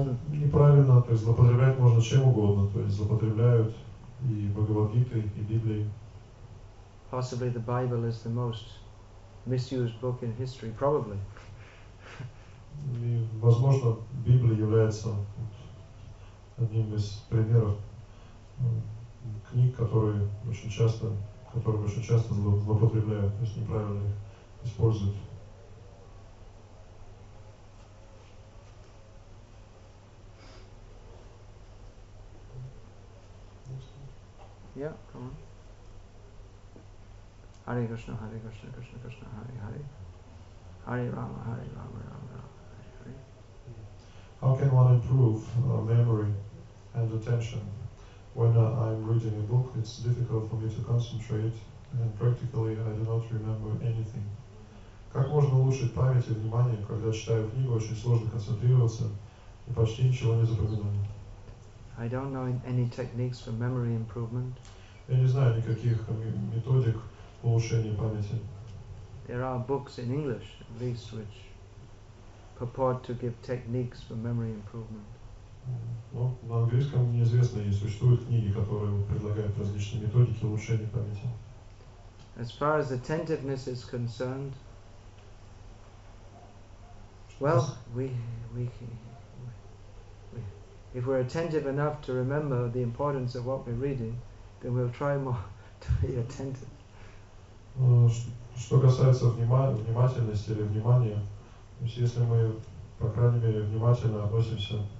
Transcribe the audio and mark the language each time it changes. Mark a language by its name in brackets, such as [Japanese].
[Russian] Неправильно, то есть злоупотреблять можно чем угодно, то есть злоупотребляют и Бхагавад Гитой, и Библией. [English] Possibly the Bible is the most misused book in history, probably. [Russian] И, возможно, Библия является одним из примеров книг, которые очень часто, злоупотребляют, то есть неправильно их используют. [English] Yeah, come on. [Sanskrit] Hare Krishna, Hare Krishna, Krishna Krishna, Hare Hare. Hare Rama, Hare Rama, Rama Rama, Hare Hare. [English] How can one improve memory and attention? When I'm reading a book, it's difficult for me to concentrate, and practically I do not remember anything. [Russian] Как можно улучшить память и внимание, когда читаю книгу, очень сложно концентрироваться, и почти ничего не запоминаю? [English] I don't know any techniques for memory improvement. [Russian] Я не знаю никаких методик улучшения памяти. [English] There are books in English, at least, which purport to give techniques for memory improvement. [Russian] Ну, на английском неизвестно, и существуют книги, которые предлагают различные методики улучшения памяти. [English] As far as attentiveness is concerned, well, if we're attentive enough to remember the importance of what we're reading, then we'll try more to be attentive. [Russian] Что касается внимательности или внимания, то есть если мы, по крайней мере, внимательно относимся,